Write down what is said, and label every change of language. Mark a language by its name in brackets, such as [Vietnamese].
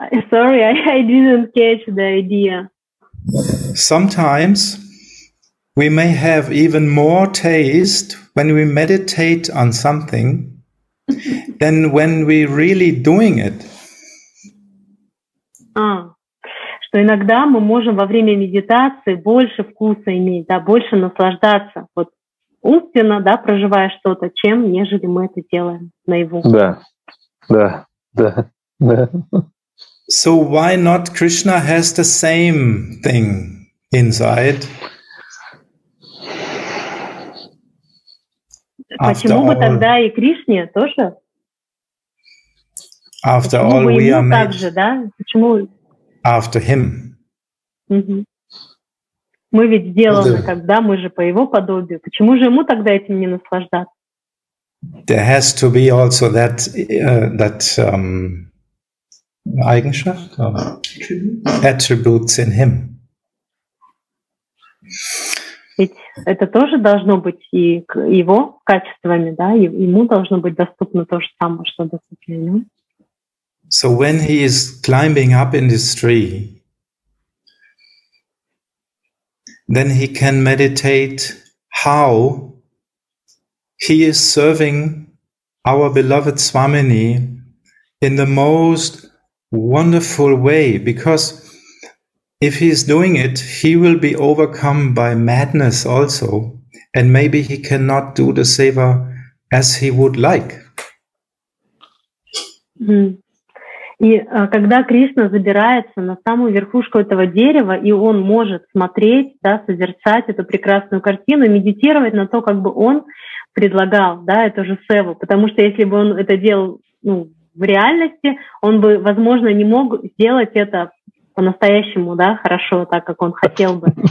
[English] Sorry, I didn't catch the idea. Sometimes we may have even more taste when we meditate on something than when we really doing it. [Russian] Что иногда мы можем во время медитации больше вкуса иметь, да, больше наслаждаться вот умственно, да, проживая что-то, чем нежели мы это делаем наяву. Да, да, да, да. [English] So why not Krishna has the same thing inside? [Russian] Почему бы тогда и Кришне тоже? [English] After all, we are made. [Russian] Так же, да? Почему? [English] After him. Mm-hmm. [Russian] Мы ведь сделаны, когда мы же по его подобию. Почему же ему тогда этим не наслаждаться? [English] There has to be also that Eigenschaft or attributes in him. [Russian] Ведь это тоже должно быть и его качествами, да, ему должно быть доступно то же самое, что доступно ему. [English] So when he is climbing up in this tree, then he can meditate how he is serving our beloved Swamini in the most wonderful way, because if he is doing it, he will be overcome by madness also, and maybe he cannot do the seva as he would like. [Russian] И когда Кришна забирается на самую верхушку этого дерева, и он может смотреть, да, созерцать эту прекрасную картину, медитировать на то, как бы он предлагал, да, эту же севу, потому что если бы он это делал, ну, в реальности, он бы, возможно, не мог сделать это по-настоящему, да, хорошо, так как он хотел бы.